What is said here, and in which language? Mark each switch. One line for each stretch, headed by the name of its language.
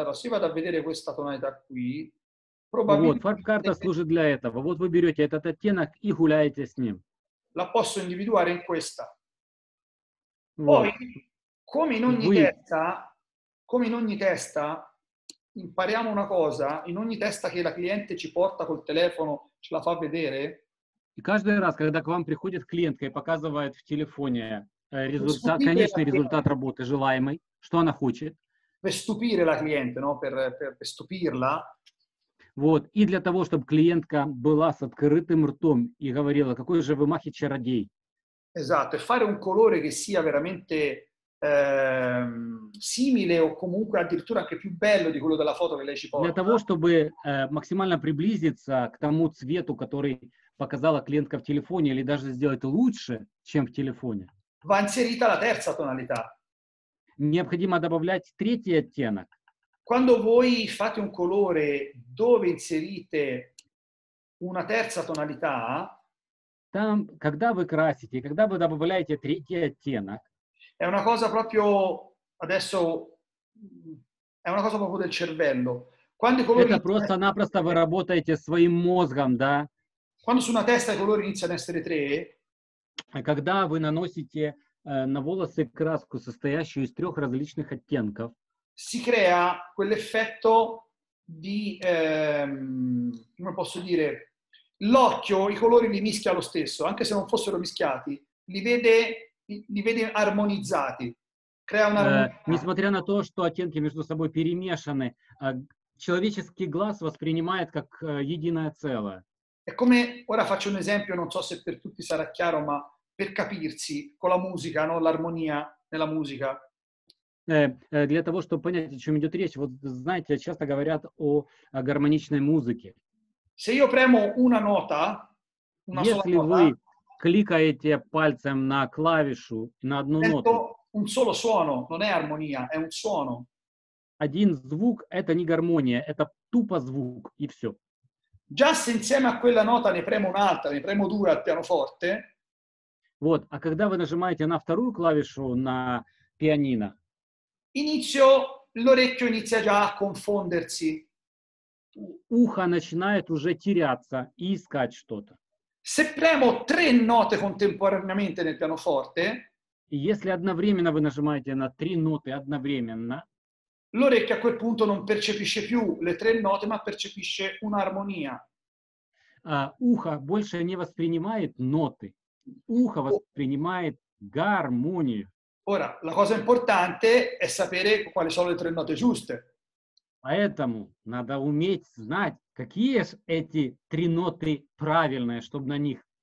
Italian: Allora, se io vado a vedere questa tonalità qui, probabilmente...
Russian: Вот, фарп-карта служит для этого. Вот вы берете этот оттенок и гуляете с ним.
Italian: La posso individuare in questa. Poi, come in ogni testa, impariamo una cosa, in ogni testa che la cliente ci porta col telefono, ce la fa vedere.
Russian: E каждый раз, когда к вам приходит клиентка и показывает в телефоне результат, конечный результат работы желаемый, что она хочет.
Italian: Per stupire la cliente, no? Per stupirla.
Russian: Вот, и для того, чтобы клиентка была с открытым ртом и говорила, какой же вы махи чародей.
Italian: Esatto, e fare un colore che sia veramente simile o comunque addirittura anche più bello di quello della foto che lei ci porta.
Russian: Для того, чтобы максимально приблизиться к тому цвету, который показала клиентка в телефоне, или даже сделать лучше, чем в телефоне.
Italian: Va inserita la terza tonalità.
Russian: Необходимо добавлять третий оттенок.
Italian: Quando voi fate un colore dove inserite una terza tonalità,
Russian: там, когда вы красите, когда вы добавляете третий оттенок.
Italian: È una cosa proprio adesso è una cosa proprio del cervello. Quando i colori...
Russian: Это просто-напросто вы работаете своим мозгом, да?
Italian: Quando su una testa i colori iniziano a essere tre,
Russian: когда вы наносите на волосы краску, состоящую из трех различных оттенков,
Italian: si crea quell'effetto di, come posso dire, l'occhio, i colori li mischia lo stesso, anche se non fossero mischiati, li vede armonizzati, crea una...
Russian: Несмотря на то, что оттенки между собой перемешаны, человеческий глаз воспринимает как единое целое.
Italian: È come, ora faccio un esempio, non so se per tutti sarà chiaro, ma per capirsi con la musica, no? L'armonia nella musica.
Russian: Для того, чтобы понять, о чем идет речь, вот знаете, часто говорят о гармоничной музыке.
Italian: Se io premo una nota, una sola nota,
Russian: если вы кликаете пальцем на клавишу, на одну ноту, это
Italian: un solo suono, non è armonia, è un suono.
Russian: Один звук – это не гармония, это тупо звук, и все.
Italian: Già se insieme a quella nota ne premo un'altra, ne premo due al pianoforte.
Russian: Вот, а когда вы нажимаете на вторую клавишу на пианино?
Italian: Inizio, l'orecchio inizia già a confondersi.
Russian: Ухо начинает уже теряться и искать что-то.
Italian: Se premo tre note contemporaneamente nel pianoforte,
Russian: если одновременно вы нажимаете на три ноты одновременно,
Italian: l'orecchio a quel punto non percepisce più le tre note, ma percepisce un'armonia.
Russian: Ухо больше не воспринимает ноты. Ухо воспринимает гармонию.
Italian: Ora, la cosa importante è sapere quali sono le tre note giuste.
Russian: Поэтому надо уметь знать, какие эти три ноты правильные, чтобы на них...